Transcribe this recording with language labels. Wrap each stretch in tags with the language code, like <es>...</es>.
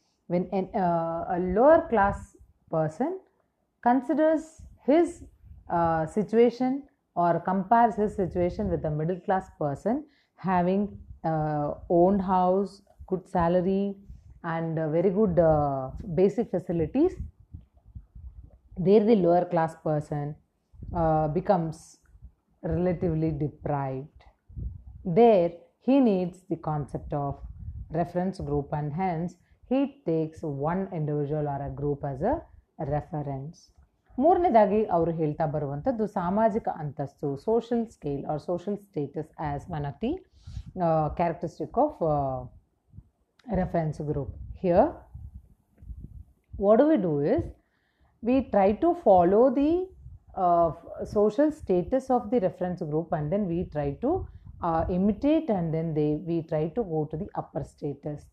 <en>When an a lower class person considers his situation or compares his situation with a middle class person having own house, good salary and very good basic facilities, there the lower class person becomes relatively deprived. There he needs the concept of reference group and hence he takes one individual or a group as a reference.</en> <kn>ಮೂರನೇದಾಗಿ ಅವರು ಹೇಳ್ತಾ ಬರುವಂಥದ್ದು ಸಾಮಾಜಿಕ ಅಂತಸ್ತು,</kn> <en>Social scale or social status as one of the characteristic of reference group. Here what do we do is we try to follow the social status of the reference group and then we try to imitate and then they we try to go to the upper status.</en>